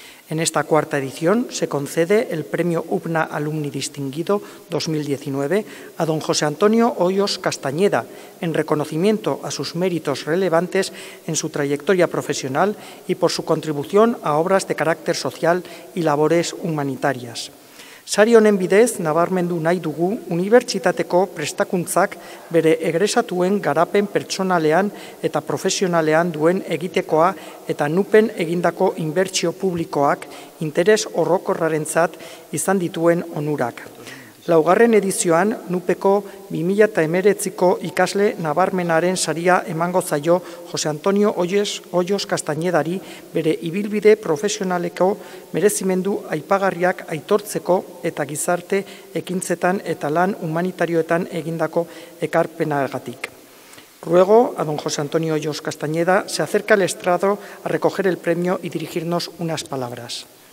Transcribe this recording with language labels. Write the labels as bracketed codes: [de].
[es] En esta cuarta edición se concede el premio UPNA Alumni Distinguido 2019 a don José Antonio Hoyos Castañeda, en reconocimiento a sus méritos relevantes en su trayectoria profesional y por su contribución a obras de carácter social y labores humanitarias. [eu] Sarionen bidez nabarmendu nahi dugu unibertsitateko prestakuntzak bere egresatuen garapen pertsonalean eta profesionalean duen egitekoa eta NUPEN egindako inbertsio publikoak interes orokorrarentzat izan dituen onurak. Laugarren edizioan NUPEko 2019ko ikasle nabarmenaren saria emango zaio José Antonio Hoyos Castañedari bere ibilbide profesionaleko merezimendu aipagarriak aitortzeko eta gizarte ekintzetan eta lan humanitarioetan egindako ekarpenagatik. [es] Ruego a don José Antonio Hoyos Castañeda se acerque al estrado a recoger el premio y dirigirnos unas palabras.